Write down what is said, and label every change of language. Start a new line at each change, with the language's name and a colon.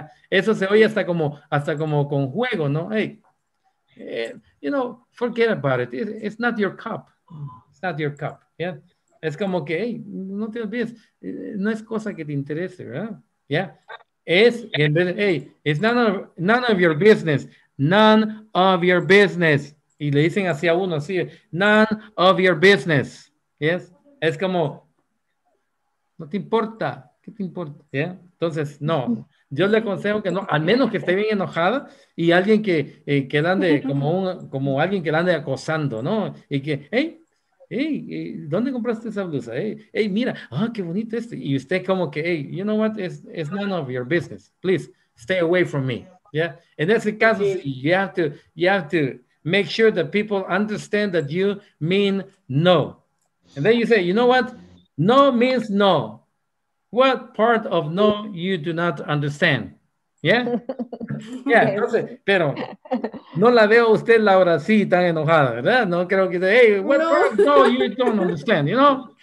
Spanish: Eso se oye hasta como con juego, ¿no?
English: Hey, you know, forget about it. It's not your cup. It's not your cup, yeah?
Spanish: Es como que, hey, no te olvides, no es cosa que te interese, ¿verdad?
English: Yeah.
Spanish: Es, en vez de,
English: hey, it's none of your business. None of your business.
Spanish: Y le dicen así a uno, así,
English: none of your business. Yes.
Spanish: Es como, no te importa, ¿qué te importa? Yeah. Entonces, no. Yo le aconsejo que no, al menos que esté bien enojada y alguien que ande como alguien que la ande acosando, ¿no? Y que, hey, hey, ¿dónde compraste esa blusa? Hey, hey, mira, ah, qué bonito este. Y usted como que, hey,
English: you know what? It's none of your business. Please, stay away from me. Yeah.
Spanish: En ese caso,
English: you have to make sure that people understand that you mean no. And then you say, you know what? No means no. What part of no you do not understand? Yeah? Yeah, okay.
Spanish: Entonces, pero no la veo usted, Laura, así tan enojada, ¿verdad? No creo que sea,
English: hey, what part of no you don't understand, you know?